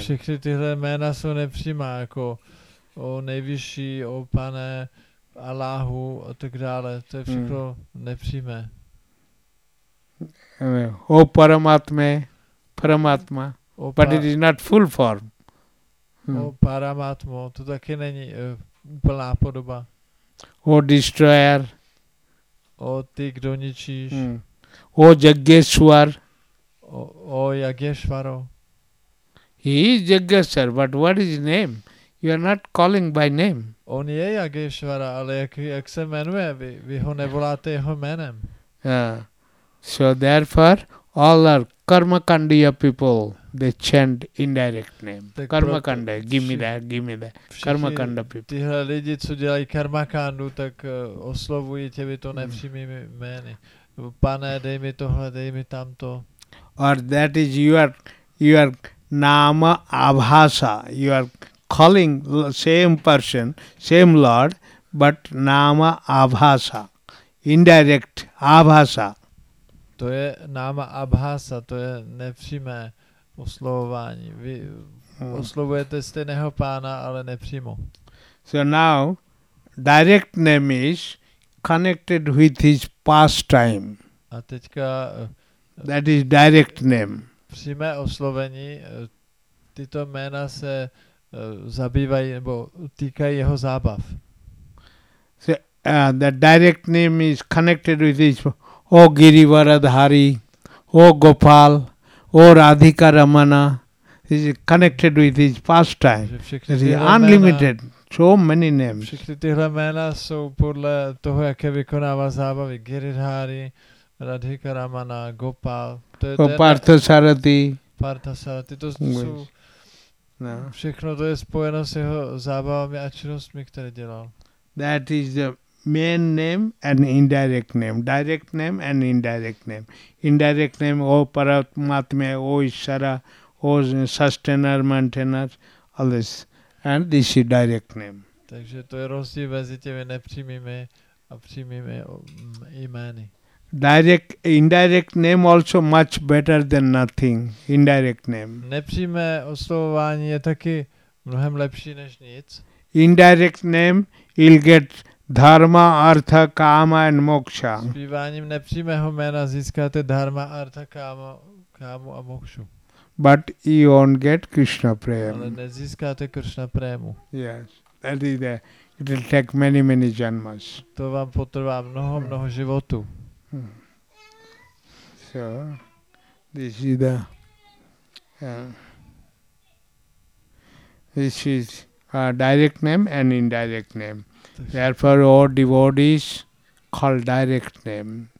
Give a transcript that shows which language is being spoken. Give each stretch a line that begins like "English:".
Czech: Všechny tyhle jména jsou nepřímá, jako o nejvyšší, o pane, Aláhu a tak dále. To je všechno nepřímé.
English: O paramatme, paramatma, but it is not full form.
Czech: O paramatmo, to taky není úplná podoba.
English: O destroyer.
Czech: O ty, kdo ničíš.
English: O jageshwar.
Czech: O Yageshwaro.
English: He is Yageshwar, but what is his name? You are not calling by name.
Czech: On je Yageshwara, ale jak se jmenuje? Vy ho nevoláte jeho jménem.
English: So therefore, all our Karmakandiya people, they chant indirect name. Tak Karmakanda, give me that. Karmakanda people.
Czech: Tyhle lidi, co dělají Karmakandu, tak oslovují těmito nepřímými jmény. Pane, dej mi tohle, dej mi tamto.
English: Or that is your nama abhasa. You are calling same person, same Lord, but nama abhasa, indirect abhasa.
Czech: To je nama abhasa. To je nepřímé oslovování. Vy oslovujete stejného pána, ale nepřímo.
English: So now, direct name is connected with his pastime.
Czech: A teďka.
English: That is direct name.
Czech: Přímé oslovení, tyto jména se zabývají nebo týkají jeho zábav.
English: So, that direct name is connected with this. O Girivaradhari, O Gopal, O Radhika Ramana. This is connected with his pastime. It is unlimited. So many names.
Czech: Všechny tyhle jména jsou podle toho, jaké vykonává zábavy. Girivaradhari, Radhika Ramana, Gopal, Partha Sarathi, to jsou všechno, to je spojeno s jeho zábavami a činnostmi, které dělal.
English: That is the main name and indirect name. Direct name and indirect name. Indirect name, O Paramatma, O Ishara, O Sustainer, Maintainer, all this. And this is direct name.
Czech: Takže to je rozdíl mezi těmi nepřímými a přímými jmény.
English: Direct, indirect name also much better than nothing. Indirect name.
Czech: Nepřímé oslovování je taky mnohem lepší než nic.
English: Indirect name, you'll get dharma, artha, kama and moksha.
Czech: Zpíváním nepřímého jména získáte dharma, artha, kámu a mokšu.
English: But you won't get Krishna prem.
Czech: Ale nezískáte Krishna prému.
English: Yes, that is there. It'll take many, many janmas.
Czech: To vám potrvá mnoho, mnoho životů.
English: So, this is the, this is a direct name and indirect name. Therefore, all devotees call direct name.